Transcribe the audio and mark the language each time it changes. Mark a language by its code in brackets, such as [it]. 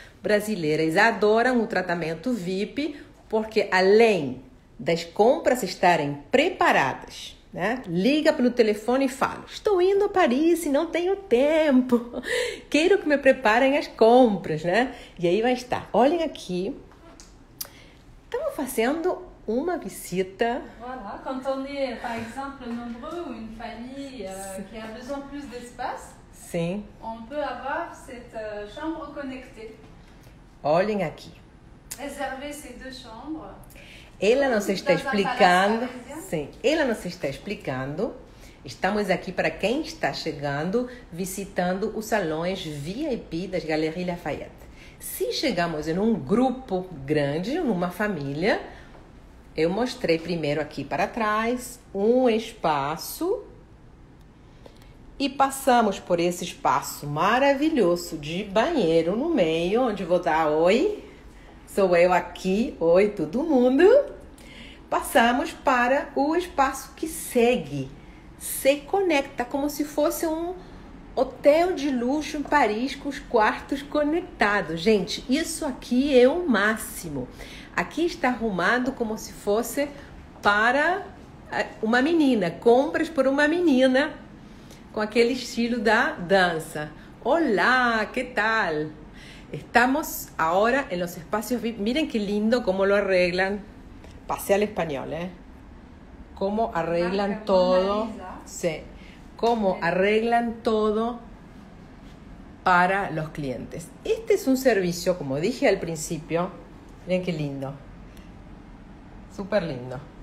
[pt] Brasileiras adoram o tratamento VIP porque além das compras estarem preparadas, né? Liga pelo telefone e fala, estou indo a Paris e não tenho tempo, quero que me preparem as compras, né? E aí vai estar, olhem aqui, estamos fazendo uma visita. [fr] Voilà, quando on est, par exemple, nombreux ou une famille qui a besoin plus d'espace, [pt] sim, [fr] on peut avoir cette chambre connectée. [pt] Olhem aqui. [fr] Reserver ces deux chambres. [pt] Ela nos está explicando. Sim, ela nos está explicando. Estamos aqui para quem está chegando, visitando os salões VIP das Galeries Lafayette. Se chegamos em um grupo grande, numa família, eu mostrei primeiro aqui para trás um espaço e passamos por esse espaço maravilhoso de banheiro no meio, onde vou dar oi. Sou eu aqui, oi todo mundo. Passamos para o espaço que segue, se conecta como se fosse um hotel de luxo em Paris com os quartos conectados. Gente, isso aqui é o máximo. Aqui está arrumado como se fosse para uma menina, compras por uma menina com aquele estilo da dança. Olá, que tal? Estamos agora em [es] los espacios [pt] VIP. [es] Miren que lindo como lo arreglan. Pase al español, Como arreglan todo. Sí. Como arreglan todo para los clientes. Este es un servicio, como dije al principio. Miren qué lindo. Súper lindo.